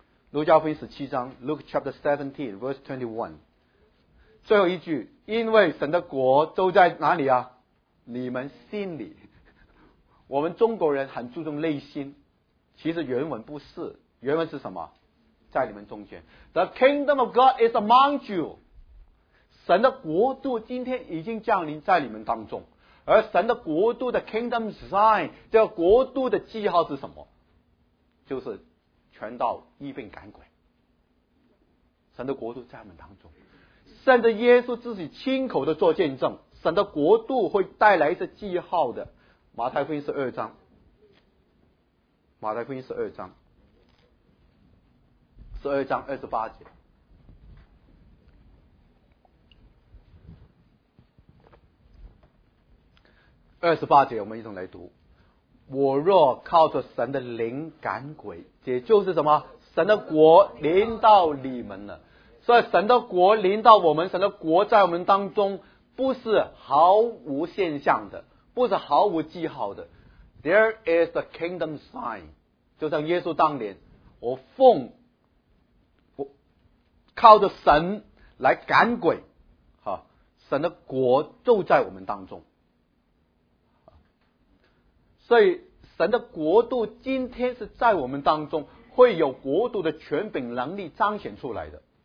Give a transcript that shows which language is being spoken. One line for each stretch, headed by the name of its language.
Chinese: 路加福音十七章
English: Luke chapter 17 verse 21，
Chinese: 最后一句，因为神的国都在哪里啊，你们心里。我们中国人很注重内心，其实原文不是，原文是什么，在你们中间。
English: The kingdom of God is among you.
Chinese: 神的国度今天已经降临在你们当中。而神的国度的
English: kingdom sign,
Chinese: 这个国度的记号是什么？就是全道医病赶鬼。神的国度在我们当中。甚至耶稣自己亲口的做见证，神的国度会带来一些记号的。马太福音十二章，马太福音十二章，十二章二十八节，二十八节，我们一同来读。我若靠着神的灵赶鬼，也就是什么？神的国临到你们了。所以神的国临到我们，神的国在我们当中，不是毫无现象的，不是毫无记号的。
English: There is the kingdom sign.
Chinese: 就像耶稣当年，我奉我靠着神来赶鬼，神的国就在我们当中。所以神的国度今天是在我们当中，会有国度的权柄能力彰显出来的。